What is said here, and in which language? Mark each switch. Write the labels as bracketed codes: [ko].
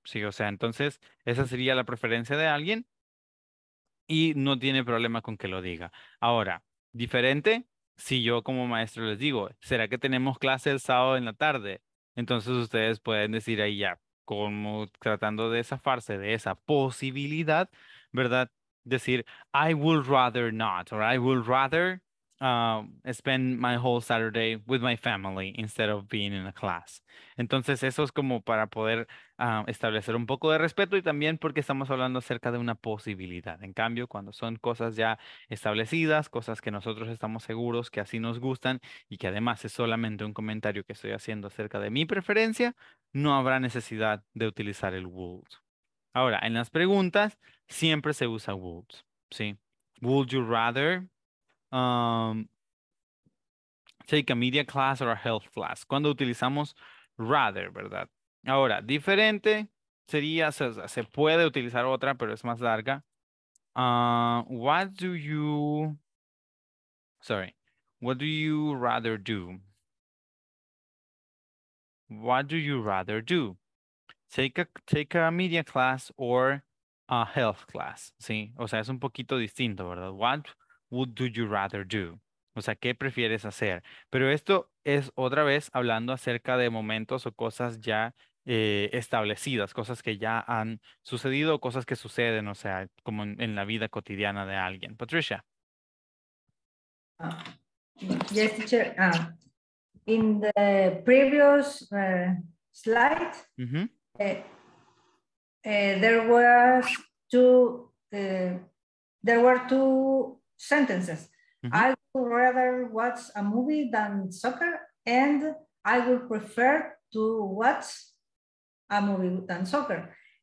[es] Sí, o sea, entonces, esa sería la preferencia de alguien y no tiene problema con que lo diga. Ahora, diferente, si yo como maestro les digo, ¿será que tenemos clase el sábado en la tarde? Entonces ustedes pueden decir ahí ya, como tratando de zafarse de esa posibilidad, ¿verdad? Decir, [en] I would rather not, or I would rather spend my whole Saturday with my family instead of being in a class. [es] Entonces eso es como para poder establecer un poco de respeto y también porque estamos hablando acerca de una posibilidad. En cambio, cuando son cosas ya establecidas, cosas que nosotros estamos seguros que así nos gustan y que además es solamente un comentario que estoy haciendo acerca de mi preferencia, no habrá necesidad de utilizar el would. Ahora, en las preguntas, siempre se usa would, ¿sí? [en] Would you rather take a media class or a health class? [es] Cuando utilizamos rather, ¿verdad? Ahora, diferente sería, se puede utilizar otra, pero es más larga. [en] What do you rather do? take a media class or a health class. [es] Sí, o sea, es un poquito distinto, ¿verdad? [en] What would do you rather do? [es] O sea, ¿qué prefieres hacer? Pero esto es otra vez hablando acerca de momentos o cosas ya establecidas, cosas que ya han sucedido, cosas que suceden, o sea, como en la vida cotidiana de alguien. Patricia. [en] Yes, teacher. In the previous slide, there were two sentences. Mm-hmm. I would rather watch a movie than soccer, and I would prefer to watch a movie than soccer.